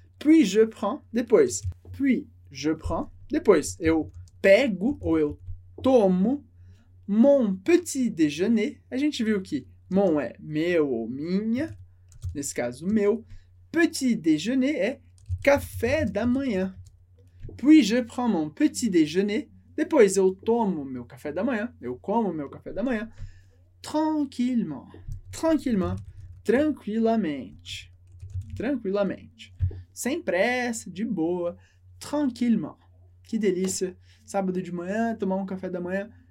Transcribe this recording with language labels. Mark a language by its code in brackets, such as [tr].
[fr] Puis je prends, [pt] depois. [fr] Puis je prends, depois. [pt] Eu pego ou eu tomo [fr] mon petit déjeuner. [pt] A gente viu que mon é meu ou minha, nesse caso meu. Petit déjeuner é café da manhã. [fr] Puis je prends mon petit déjeuner. [pt] Depois eu tomo meu café da manhã. Eu como meu café da manhã. [fr] Tranquillement. Tranquillement. [pt] Tranquilamente. Tranquilamente. Sem pressa, de boa. [fr] Tranquillement. [pt] Que delícia. Sábado de manhã, tomar um café da manhã.